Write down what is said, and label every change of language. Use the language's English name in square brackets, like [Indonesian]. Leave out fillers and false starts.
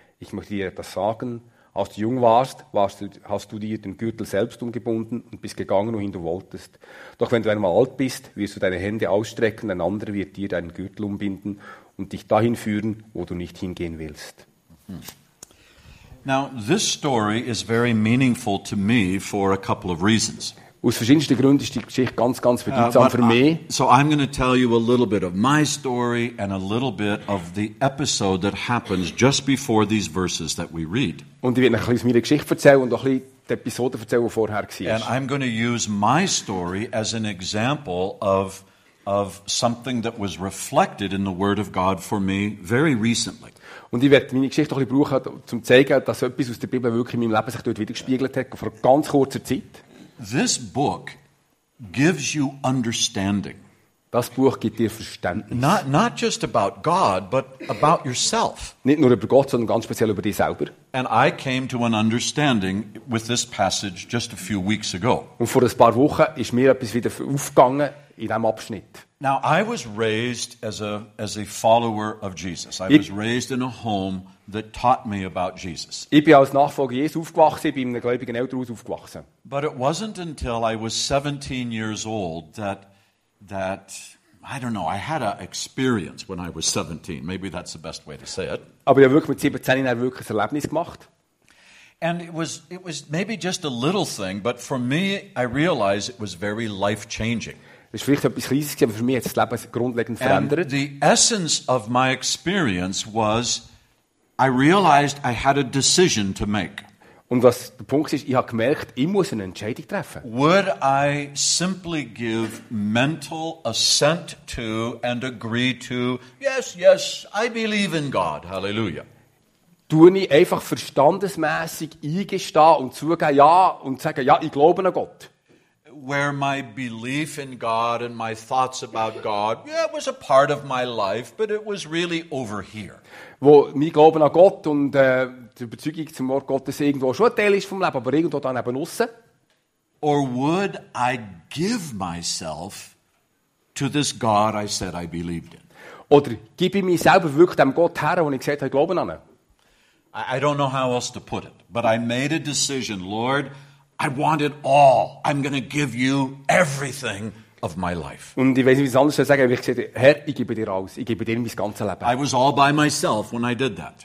[German] Ich möchte dir etwas sagen, als du jung warst, hast du dir den Gürtel selbst umgebunden und bist gegangen, wohin du wolltest. Doch wenn du einmal alt bist, wirst du deine Hände ausstrecken, ein anderer wird dir deinen Gürtel umbinden und dich dahin führen, wo du nicht hingehen willst. [English] Now, this story is very meaningful to me for a couple of reasons. [German] Aus verschiedensten Gründen ist die Geschichte ganz, ganz bedeutsam für mich. [English] So I'm going to tell you a little bit of my story and a little bit of the episode that happens just before these verses that we read. [German] Und ich werde euch ein bisschen meine Geschichte erzählen und auch ein bisschen die Episode erzählen, die vorher war. [English] And I'm going to use my story as an example of something that was reflected in the Word of God for me very recently. [German] Und ich werde meine Geschichte ein bisschen brauchen, um zu zeigen, dass etwas aus der Bibel wirklich in meinem Leben sich dort widergespiegelt hat, vor ganz kurzer Zeit. [English] This book gives you understanding. [German] Das Buch gibt dir Verständnis. [English] Not just about God, but about yourself. [German] Nicht nur über Gott, sondern ganz speziell über dich selber. [English] And I came to an understanding with this passage just a few weeks ago. [German] Und vor ein paar Wochen ist mir etwas wieder aufgegangen in diesem Abschnitt. [English] Now I was raised as a follower of Jesus. I was raised in a home that taught me about Jesus. [German] Ich bin als Nachfolger Jesu aufgewachsen, bin in einem gläubigen Elternhaus aufgewachsen. [English] But it wasn't until I was 17 years old that I don't know, I had an experience when I was 17. Maybe that's the best way to say it. [German] Aber ich wirklich mit 17 ein wirkliches Erlebnis gemacht. [English] And it was maybe just a little thing, but for me I realized it was very life-changing. [German] Es ist vielleicht etwas Kleines gewesen, aber für mich hat das Leben grundlegend verändert. [English] And the essence of my experience was, I realized I had a decision to make. [German] Und was der Punkt ist, ich habe gemerkt, ich muss eine Entscheidung treffen. [English] Would I simply give mental assent to and agree to, yes, yes, I believe in God, hallelujah. [German] Tue ich einfach verstandesmässig eingestehen und zugeben, ja, und sagen, ja, ich glaube an Gott. [English] Where my belief in God and my thoughts about God, yeah, it was a part of my life, but it was really over here. [German] Wo mein Glauben an Gott und die Überzeugung zum Wort Gottes irgendwo schon ein Teil ist vom Leben, aber irgendwo dann eben aussen. [English] Or would I give myself to this God I said I believed in? [German] Oder gebe ich mich selber wirklich dem Gott her, wo ich gesagt habe, Glauben an ihn? [English] I don't know how else to put it, but I made a decision, Lord, I want it all. I'm going to give you everything of my life. [German] Und ich weiß nicht, wie ich es anders soll sagen. Ich habe gesagt, Herr, ich gebe dir alles. Ich gebe dir mein ganzes Leben. [English] I was all by myself when I did that.